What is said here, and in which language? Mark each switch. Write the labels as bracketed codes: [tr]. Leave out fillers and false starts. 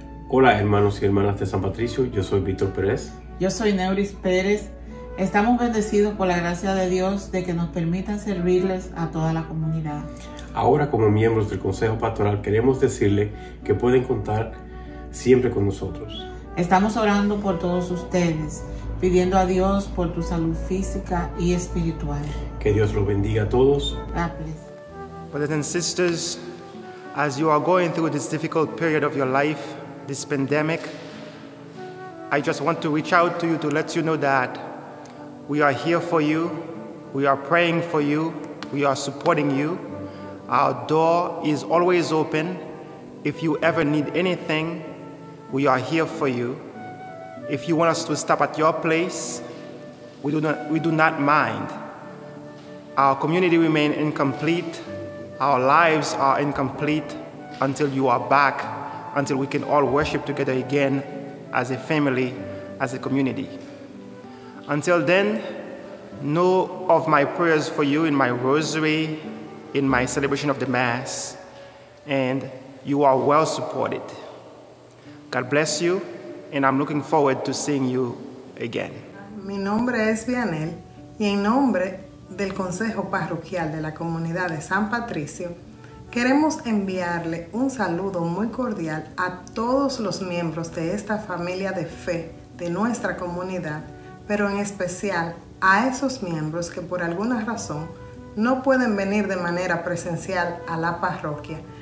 [es] Hola hermanos y hermanas de San Patricio, yo soy Víctor Pérez. Yo soy Neuris Pérez. Estamos bendecidos por la gracia de Dios de que nos permitan servirles a toda la comunidad. Ahora como miembros del Consejo Pastoral queremos decirle que pueden contar siempre con nosotros. Estamos orando por todos ustedes, pidiendo a Dios por tu salud física y espiritual. Que Dios los bendiga a todos. Gracias. [en] Brothers and sisters, as you are going through this difficult period of your life, this pandemic, I just want to reach out to you to let you know that we are here for you, we are praying for you, we are supporting you. Our door is always open. If you ever need anything, we are here for you. If you want us to stop at your place, we do not mind. Our community remains incomplete. Our lives are incomplete until you are back, until we can all worship together again as a family, as a community. Until then, know of my prayers for you in my rosary, in my celebration of the Mass, and you are well supported. God bless you, and I'm looking forward to seeing you again. [es] Mi nombre es Vianel, y en nombre del Consejo Parroquial de la Comunidad de San Patricio, queremos enviarle un saludo muy cordial a todos los miembros de esta familia de fe de nuestra comunidad, pero en especial a esos miembros que por alguna razón no pueden venir de manera presencial a la parroquia.